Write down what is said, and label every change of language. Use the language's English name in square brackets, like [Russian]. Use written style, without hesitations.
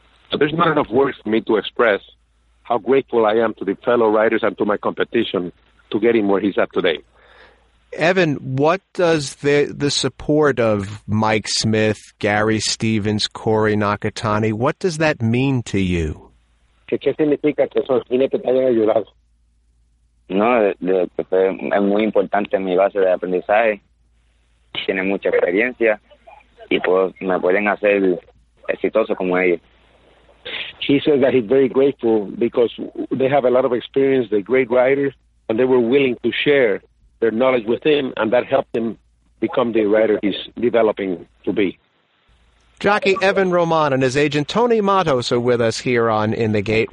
[English] So there's not enough words for me to express how grateful I am to the fellow riders and to my competition to get him where he's at today. Evin, what does the support of Mike Smith, Gary Stevens, Corey Nakatani, what does that mean to you? [Spanish] ¿Qué significa que son gente que te haya ayudado? No, es muy importante mi base de aprendizaje. Tiene mucha experiencia y me pueden hacer exitoso como ellos. [English] He says that he's very grateful because they have a lot of experience, they're great riders, and they were willing to share their knowledge with him, and that helped him become the rider he's developing to be. Jockey Evin Roman and his agent Tony Matos are with us here on In the Gate.